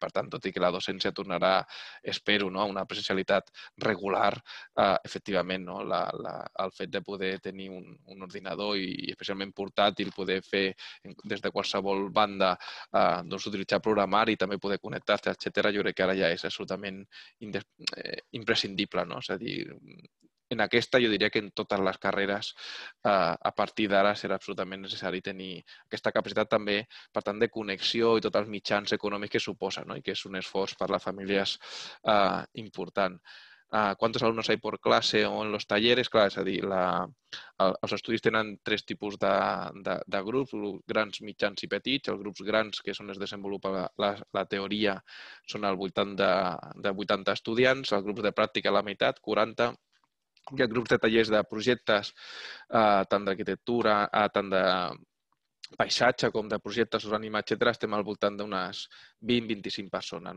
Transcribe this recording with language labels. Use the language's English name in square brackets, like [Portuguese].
[Catalan] Per tant, tot i que la docència tornarà, espero, no, a una presencialitat regular, efectivament, no, el fet de poder tenir un ordinador i especialment portàtil, poder fer des de qualsevol banda, doncs utilitzar programari i també poder connectar-se, etcètera, jo crec que ara ja és absolutament imprescindible. No? És a dir, en aquesta, jo diria que en totes les carreres, a partir d'ara, serà absolutament necessari tenir aquesta capacitat també, per tant, de connexió i tots els mitjans econòmics que suposa, no? I que és un esforç per a les famílies important. [Spanish] ¿Cuántos alumnos hay por clase o en los talleres? [Catalan] Clar, és a dir, els estudis tenen tres tipus de grups, grans, mitjans i petits. Els grups grans, que són on es desenvolupa la teoria, són al voltant de 80 estudiants. Els grups de pràctica, la meitat, 40. Hi ha grups de tallers de projectes, tant d'arquitectura, tant de paisatge com de projectes d'ànima, etcètera, estem al voltant d'unes 20-25 persones.